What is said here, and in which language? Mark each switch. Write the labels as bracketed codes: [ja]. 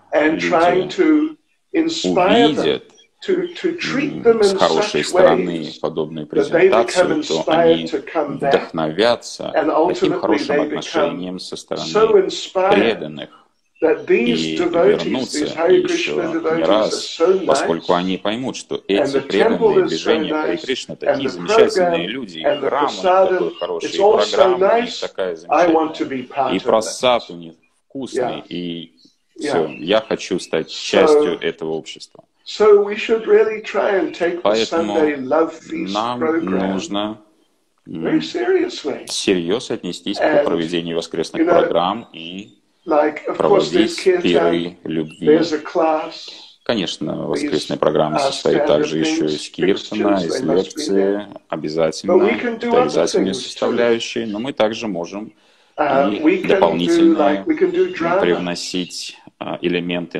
[en] and trying to inspire them, to treat them [ru] с хорошей стороны подобную презентацию, то они вдохновятся таким хорошим отношением со стороны преданных, и вернуться еще не раз, поскольку они поймут, что эти преданные движения Хари Кришны такие замечательные люди, и храм такой хороший, и программа у них такая замечательная, и просад у них вкусный, и все, я хочу стать частью этого общества. [en] So we should really try and take the Sunday Love Feast very seriously. [ru] Всерьез отнестись к проведению воскресных программ и проводить пиры любви. Конечно, воскресная программа состоит также еще из киртана, из лекции, обязательные составляющие, но мы также можем и дополнительно привносить элементы.